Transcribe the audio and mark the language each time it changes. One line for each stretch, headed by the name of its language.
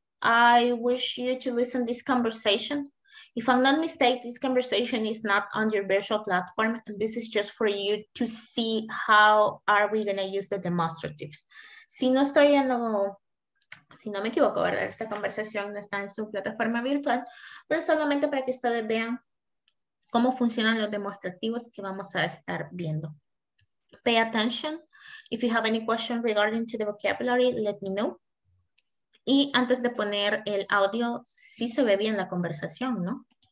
English: I wish you to listen to this conversation. If I'm not mistaken, this conversation is not on your virtual platform. And this is just for you to see how are we going to use the demonstratives.
Spanish: Si no estoy en lo, si no me equivoco, ¿verdad? Esta conversación no está en su plataforma virtual, pero solamente para que ustedes vean cómo funcionan los demostrativos que vamos a estar viendo.
English: Pay attention. If you have any question regarding to the vocabulary, let me know.
Spanish: Y antes de poner el audio, sí se ve bien la conversación, ¿no?